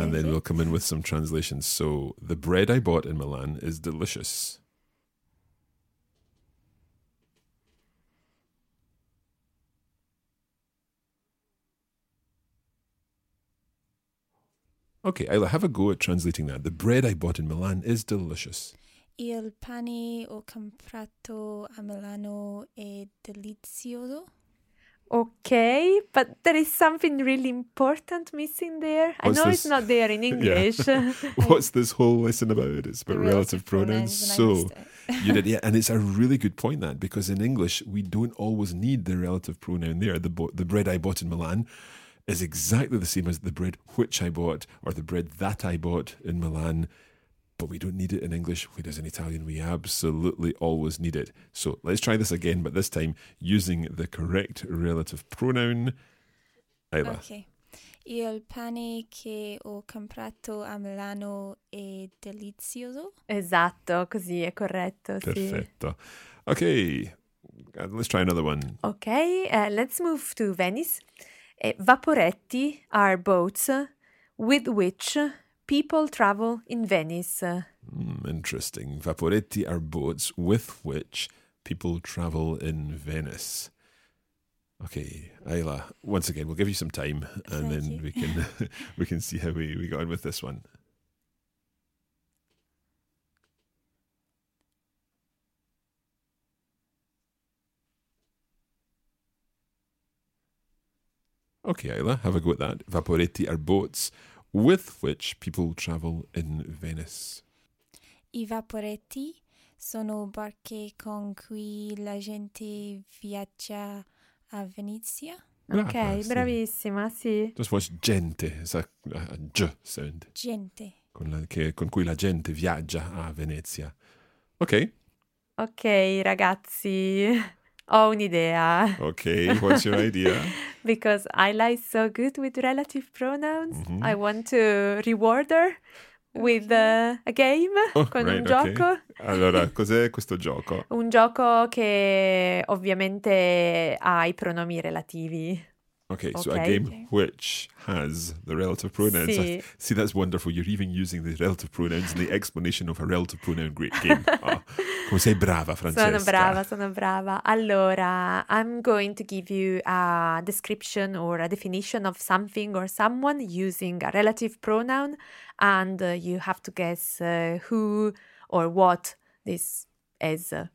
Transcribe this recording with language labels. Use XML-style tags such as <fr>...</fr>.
<en>And then we'll come in with some translations. So, the bread I bought in Milan is delicious. Okay, Ayla, have a go at translating that. The bread I bought in Milan is delicious.</en> <it>Il pane ho comprato a Milano è delizioso.</it> <en>Okay, but there is something really important missing there. What's I know this? It's not there in English. What's this whole lesson about? It's about relative pronouns. So, you did, yeah, and it's a really good point that, because in English, we don't always need the relative pronoun there. The bread I bought in Milan is exactly the same as the bread which I bought or the bread that I bought in Milan, but we don't need it in English, whereas in Italian we absolutely always need it. So let's try this again, but this time using the correct relative pronoun, Ayla. Okay.</en> <it>Il pane che ho comprato a Milano è delizioso. Esatto, così è corretto, sì. Perfetto.</it> <en>Okay, let's try another one. Okay, let's move to Venice. Vaporetti are boats with which people travel in Venice. Interesting. Vaporetti are boats with which people travel in Venice. Okay, Ayla, once again, we'll give you some time and we can see how we go on with this one. Okay, Ayla, have a go at that. Vaporetti are boats with which people travel in Venice.</en> <it>I vaporetti sono barche con cui la gente viaggia a Venezia. Okay, bravissima, sì.</it> <en>Just watch gente, it's a G sound.</en> <it>Gente. Con cui la gente viaggia a Venezia. Okay. Okay, ragazzi. Ho un'idea.</it> <en>Okay, what's your idea? Because Ayla is so good with relative pronouns, mm-hmm. I want to reward her with a game,</en> <it>un gioco. Okay. Allora, cos'è questo gioco? Un gioco che ovviamente ha i pronomi relativi.</it> <en>Okay, so a game which has the relative pronouns.</en> <it>Sì.</it> <en>See, that's wonderful. You're even using the relative pronouns in the explanation of a relative pronoun. Great game.</en> <it>Oh, come sei brava, Francesca. Sono brava.</it> <en>Allora, I'm going to give you a description or a definition of something or someone using a relative pronoun, and you have to guess who or what this is.</en>